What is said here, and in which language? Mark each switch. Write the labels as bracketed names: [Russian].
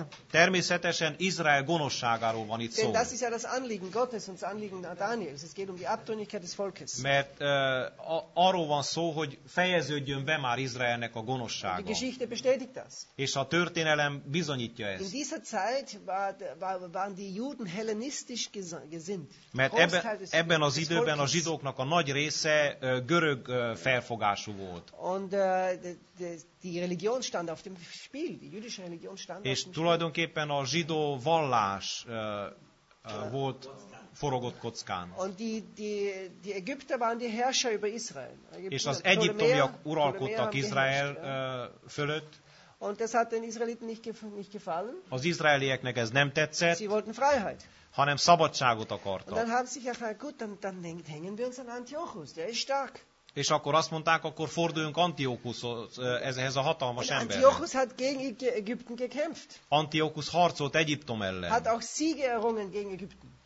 [Hungarian] Természetesen Izrael gonoszságáról van itt szó. [German] Denn das ist ja das Anliegen Gottes und das Anliegen Daniels. Es geht um die Abtrünnigkeit des Volkes. [Hungarian] Mert arról van szó, hogy fejeződjön be már Izraelnek a gonoszsága. [German] Die Geschichte bestätigt das. [Hungarian] És a történelem bizonyítja ezt. [German] In dieser Zeit waren die Juden hellenistisch gesinnt. [Hungarian] Mert ebben az időben a zsidóknak a nagy része görög felfogású volt. [German] Und die Religion stand auf dem Spiel, die jüdische Religion stand [Hungarian] és tulajdonképpen a zsidó vallás volt forogott kockán. [German] Und die Ägypter waren die Herrscher über Israel. [Hungarian] És az egyiptomiak uralkodtak Izrael fölött. [German] Und das hat den Israeliten nicht gefallen. [Hungarian] Az izraelieknek ez nem tetszett. [German] Sie wollten Freiheit. [Hungarian] Hanem szabadságot akartak. [German] Und dann haben sie gesagt, gut, dann hängen wir uns an Antiochus, der ist stark. [Hungarian] És akkor azt mondták, akkor forduljunk Antiochushoz, ezhez a hatalmas emberhez. [German] Antiochus hat gegen Ägypten gekämpft. [Hungarian] Antiochus harcolt Egyiptom ellen. [German] Hat auch Siege errungen gegen Ägypten.